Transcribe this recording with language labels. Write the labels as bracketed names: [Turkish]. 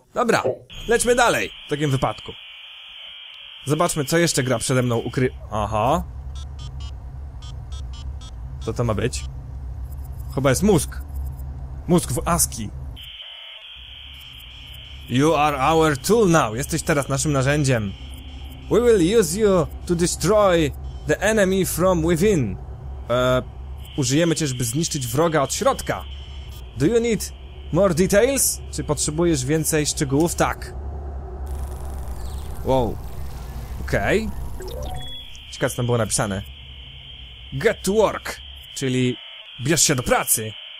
[Polish] Dobra, lećmy dalej w takim wypadku. Zobaczmy, co jeszcze gra przede mną ukry... Aha. Co to ma być? Chyba jest mózg. Mózg w ASCII. [English] You are our tool now. [Polish] Jesteś teraz naszym narzędziem. [English] We will use you to destroy the enemy from within. [Polish] Użyjemy cię, żeby zniszczyć wroga od środka. [English] Do you need more details? [Polish] Czy potrzebujesz więcej szczegółów? Tak. Wow. Okej. Okay. Ciekawe, co tam było napisane. [English] Get to work. [Polish] Czyli bierz się do pracy.